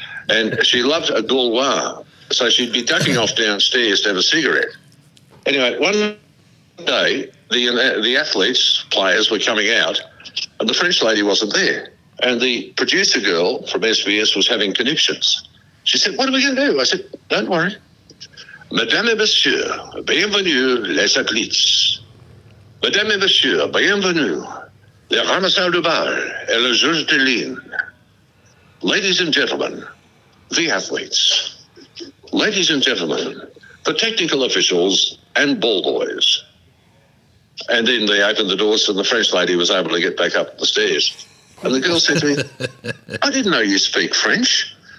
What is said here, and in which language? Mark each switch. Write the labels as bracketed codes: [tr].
[en] And she loved a Gaulois. So she'd be ducking off downstairs to have a cigarette. Anyway, one day, the athletes, players, were coming out, and the French lady wasn't there. And the producer girl from SBS was having conniptions. She said, what are we going to do? I said, don't worry. [fr] Madame et monsieur, bienvenue les athlètes. Madame et monsieur, bienvenue. Le ramasseur de balle et le juge de ligne. [en] Ladies and gentlemen, the athletes. Ladies and gentlemen, the technical officials and ball boys. And then they opened the doors and the French lady was able to get back up the stairs. And the girl said to me, I didn't know you speak French.